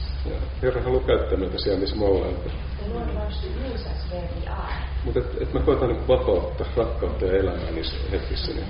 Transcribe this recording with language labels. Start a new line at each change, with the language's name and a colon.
Finnish: Ja Herra haluaa käyttää meitä siellä, missä me ollaan.
English: The Lord wants to use us where we are.
Finnish: Mutta että me koetaan niin vapautta, rakkautta ja elämää niissä hetkissä. Niin.